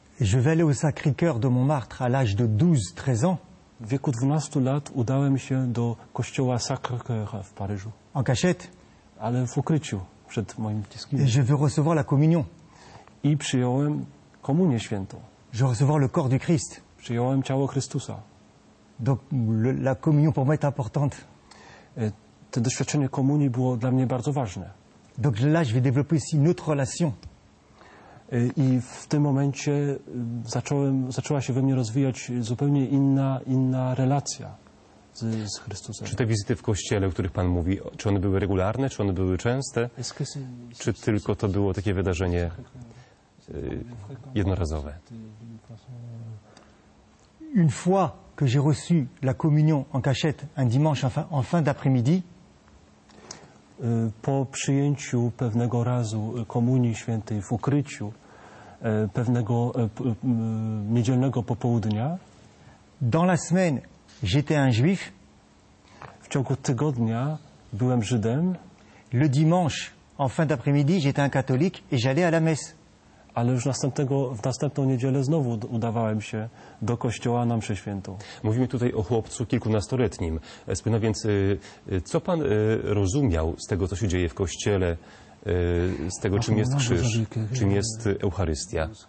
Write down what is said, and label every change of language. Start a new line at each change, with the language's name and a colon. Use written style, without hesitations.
French: Je vais aller au Sacré-Cœur de Montmartre à l'âge de 12-13 ans.
Polish: W wieku 12 lat udałem się do kościoła Sacré-Cœur w Paryżu.
French: En cachette.
Polish: Ale w ukryciu przed moim bliskim.
French: Et je veux recevoir la communion.
Polish: I przyjąłem komunię świętą.
French: Je veux recevoir le corps du Christ.
Polish: Przyjąłem ciało Chrystusa.
French: Donc la communion pour moi est importante.
Polish: To doświadczenie komunii było dla mnie bardzo ważne.
French: Donc là je vais développer aussi une autre relation.
Polish: I w tym momencie zaczęła się we mnie rozwijać zupełnie inna relacja z Chrystusem. Czy te wizyty w kościele, o których Pan mówi, czy one były regularne, czy one były częste? Czy tylko to było takie wydarzenie jednorazowe?
French: Une fois que j'ai reçu la communion en cachette un dimanche en fin d'après-midi.
Polish: Po przyjęciu pewnego razu komunii świętej w ukryciu pewnego niedzielnego popołudnia.
French: Dans la semaine, j'étais un juif.
Polish: W ciągu tygodnia byłem Żydem.
French: Le dimanche, en fin d'après-midi, j'étais un catholique et j'allais à la messe.
Polish: Ale już w następną niedzielę znowu udawałem się do kościoła na mszę świętą. Mówimy tutaj o chłopcu kilkunastoletnim. Spina więc, co pan rozumiał z tego, co się dzieje w kościele, z tego, czym jest krzyż, czym jest Eucharystia?